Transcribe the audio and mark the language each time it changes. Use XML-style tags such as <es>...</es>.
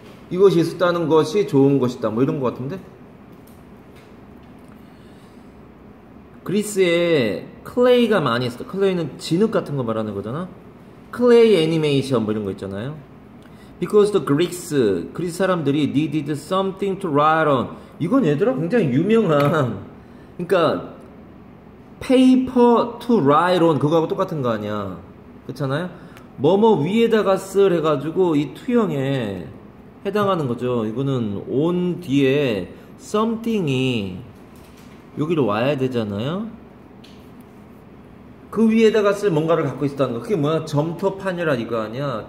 <ko>이것이 있었다는 것이 좋은 것이다. 뭐 이런 것 같은데? 그리스에 클레이가 많이 있었다. 클레이는 진흙 같은 거 말하는 거잖아? 클레이 애니메이션 뭐 이런 거 있잖아요?</ko> <en>Because the Greeks,</en> <ko>그리스 사람들이</ko> <en>needed something to write on.</en> <ko>이건 얘들아 굉장히 유명한. 그러니까,</ko> <en>paper to write on.</en> <ko>그거하고 똑같은 거 아니야. 그렇잖아요? 뭐뭐 위에다가 쓸 해가지고 이 투형에 해당하는 거죠. 이거는 on 뒤에 something이 여기로 와야 되잖아요? 그 위에다가 쓸 뭔가를 갖고 있었다는 거. 그게 뭐야? 점토판이라 이거 아니야?</ko>